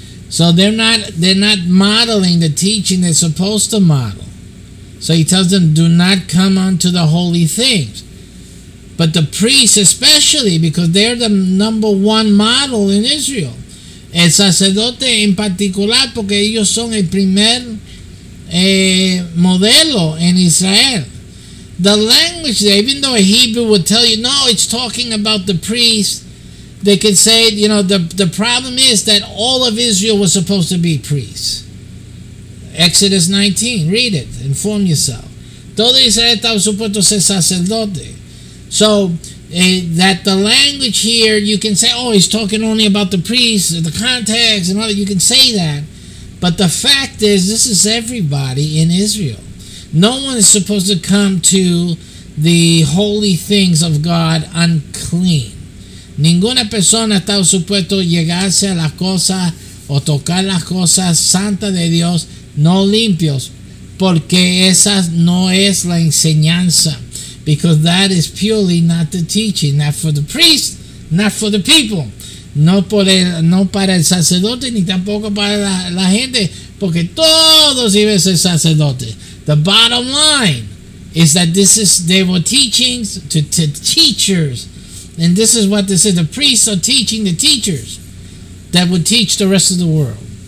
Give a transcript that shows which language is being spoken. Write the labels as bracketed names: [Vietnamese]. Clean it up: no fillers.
[English] So they're not modeling the teaching they're supposed to model. So he tells them, do not come unto the holy things. But the priests especially, because they're the number one model in Israel. [Spanish] El sacerdote en particular, porque ellos son el primer modelo en Israel. [English] The language there, even though a Hebrew would tell you, no, it's talking about the priests. They could say, you know, the problem is that all of Israel was supposed to be priests. Exodus 19, read it, inform yourself. [Spanish] Todo Israel estaba supuesto ser sacerdote. [English] So, that the language here, you can say, oh, he's talking only about the priests, the context, and all that. You can say that. But the fact is, this is everybody in Israel. No one is supposed to come to the holy things of God unclean. [Spanish] Ninguna persona está supuesto llegarse a las cosas o tocar las cosas santas de Dios no limpios, porque esa no es la enseñanza. [English] Because that is purely not the teaching, not for the priest, not for the people. [Spanish] No para el sacerdote ni tampoco para la gente, porque todos iban a ser sacerdotes. [English] The bottom line is that they were teachings to teachers. And this is what this is. The priests are teaching the teachers that would teach the rest of the world.